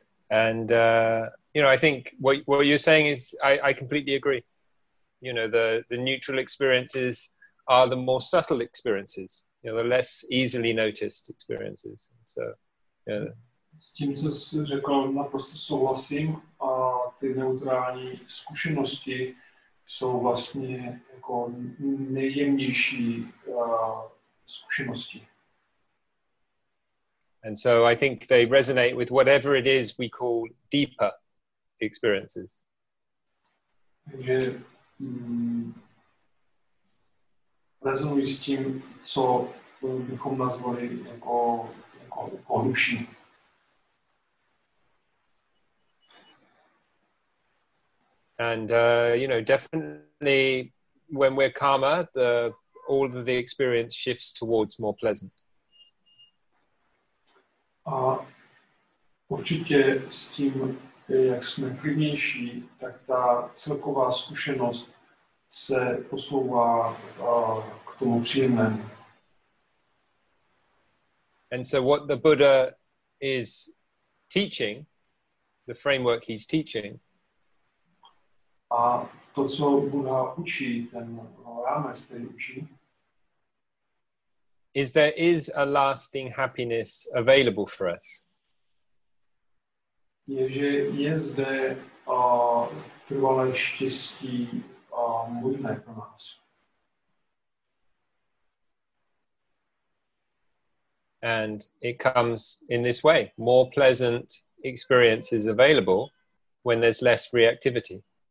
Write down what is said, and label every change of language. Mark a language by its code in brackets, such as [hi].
[en] And, you know, I think what you're saying is, I completely agree. You know, the neutral experiences are the more subtle experiences, you know, the less easily noticed experiences. So, yeah. [cs] S tím, co jsi řekl, naprosto souhlasím. A ty neutrální zkušenosti jsou vlastně jako nejjemnější zkušenosti. [en] And so I think they resonate with whatever it is we call deeper experiences. [cs] Takže rezonují s tím, co bychom nazvali jako hlubší. [en] And, you know, definitely when we're calmer, all of the experience shifts towards more pleasant. [cs] A určitě s tím, jak jsme klidnější, tak ta celková zkušenost se posouvá k tomu příjemnému. [en] And so what the Buddha is teaching, the framework he's teaching, [cs] a to, co Buddha učí, ten rámec, který učí, [en] is there is a lasting happiness available for us. [cs] Je, že je zde trvalé štěstí možné pro nás. [en] And it comes in this way, more pleasant experiences available when there's less reactivity.